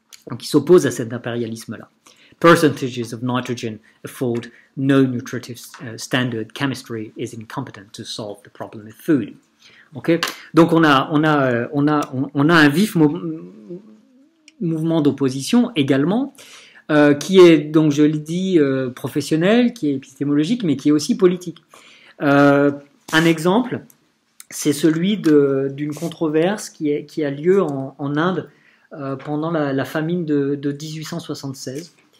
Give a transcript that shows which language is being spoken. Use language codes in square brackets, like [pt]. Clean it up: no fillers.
[fr] Donc il s'oppose à cet impérialisme-là. [en] Percentages of nitrogen afford no nutritive standard. Chemistry is incompetent to solve the problem of food. Okay. [fr] Donc on a un vif mouvement d'opposition également, qui est, donc je le dis, professionnel, qui est épistémologique, mais qui est aussi politique. Un exemple, c'est celui d'une controverse qui a lieu en Inde pendant la famine de 1876.